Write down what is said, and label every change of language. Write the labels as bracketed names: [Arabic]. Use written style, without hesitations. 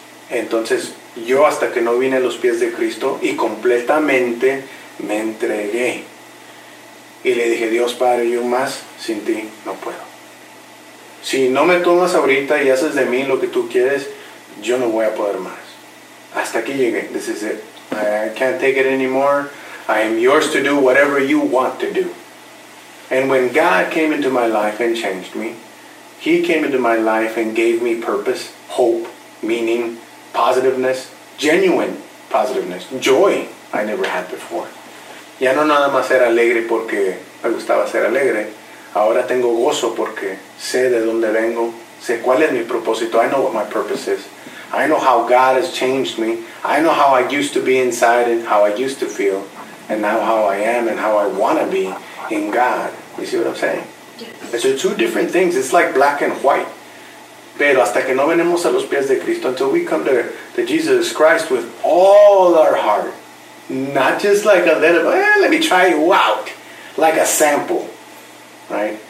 [Spanish] Entonces, yo hasta que no vine a los pies de Cristo y completamente me entregué. Y le dije, Dios Padre, yo más sin ti no puedo. Si no me tomas ahorita y haces de mí lo que tú quieres, yo no voy a poder más. Hasta aquí llegué. [English] This is it. I can't take it anymore. I am yours to do whatever you want to do. And when God came into my life and changed me, He came into my life and gave me purpose, hope, meaning, positiveness, genuine positiveness, joy I never had before. [Spanish] Ya no nada más era alegre porque me gustaba ser alegre. Ahora tengo gozo porque sé de dónde vengo. Sé cuál es mi propósito. [English] I know what my purpose is. I know how God has changed me. I know how I used to be inside and how I used to feel. And now how I am and how I want to be in God. You see what I'm saying? Yes. It's two different things. It's like black and white. [Spanish] Pero hasta que no venimos a los pies de Cristo, [English] until we come to Jesus Christ with all our heart, not just like a little, let me try you out, like a sample, right?